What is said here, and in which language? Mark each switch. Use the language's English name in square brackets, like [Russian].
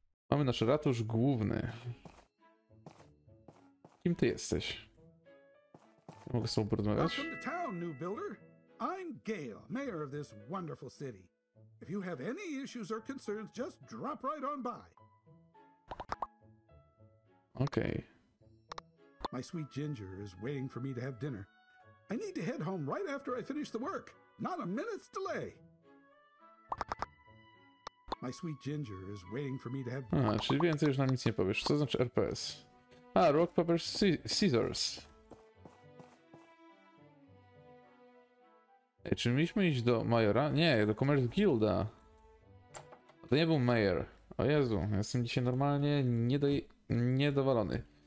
[Polish] Mamy nasz ratusz główny. Kim ty jesteś? Mogę z tobą porozmawiać? [English] Welcome to town, new builder. I'm Gale, mayor of this wonderful city. If you have any issues or concerns, just drop right on by. Okay. My sweet Ginger is waiting for me to have dinner. I need to head home right after I finish the work. Not a minute's delay. My sweet Ginger is waiting for me to have dinner. [Polish] Czyli więcej już nam nic nie powiesz. Co znaczy RPS? A, [English] Rock, Paper, Scissors. [Polish] Czy mieliśmy iść do Majora? Nie, do Commerce Guilda. To nie był Mayor. O Jezu, ja jestem dzisiaj normalnie niedowalony.